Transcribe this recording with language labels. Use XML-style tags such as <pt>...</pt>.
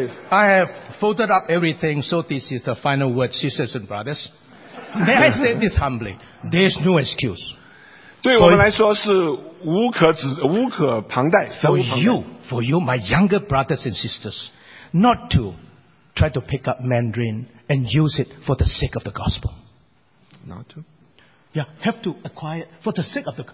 <en>I have folded up everything, so this is the final word, sisters and brothers. May I say this humbly? There's no excuse.</en> <zh>对我们来说是无可旁贷。</zh> <en>For you, my younger brothers and sisters, not to try to pick up Mandarin and use it for the sake of the gospel. Not to. Yeah, have to acquire for the sake of the.</en>